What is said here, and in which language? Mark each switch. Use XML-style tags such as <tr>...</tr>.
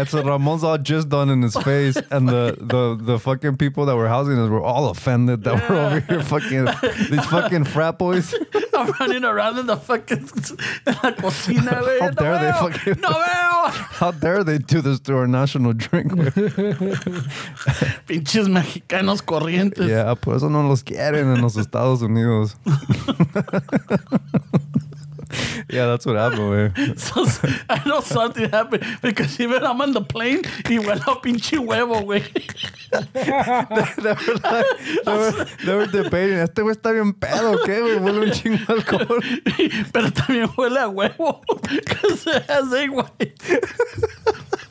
<en>And so Ramon's all just done in his face, and the fucking people that were housing us were all offended that we're over here fucking these fucking frat boys. I'm running around in the fucking cocina. How dare they fucking?</en> <es>No veo.</es> <en>How dare they do this to our national drink?</en> <es>Pinches mexicanos corrientes. Yeah, por eso no los quieren en los Estados Unidos.</es> <en>Yeah, that's what happened, man. I know something happened because even I'm on the plane, he went up</en> <es>pinche huevo, güey.</es> <en>They were debating.</en> <es>Este güey está bien pedo, ¿qué, güey? Huele un chingo alcohol. Pero también huele a huevo</es> <en>because it has egg white.</en>